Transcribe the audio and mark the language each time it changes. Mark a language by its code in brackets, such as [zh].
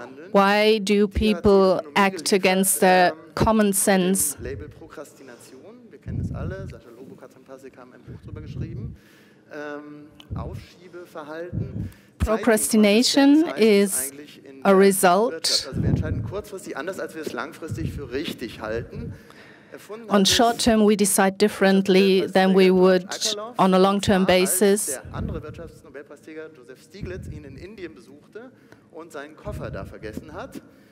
[en] Why do people act against their common sense? [de] Label Prokrastination, wir kennen es alle. Sascha Lobo hat ein paar Sekunden ein Buch darüber geschrieben. Aufschiebeverhalten. [en] Procrastination is a result. [de] Wir entscheiden kurzfristig anders, als wir es langfristig für richtig halten. [en] On short term, we decide differently than we would on a long term basis. [de] Der andere Wirtschaftsnobelpreisträger Joseph Stiglitz ihn in Indien besuchte und seinen Koffer da vergessen hat.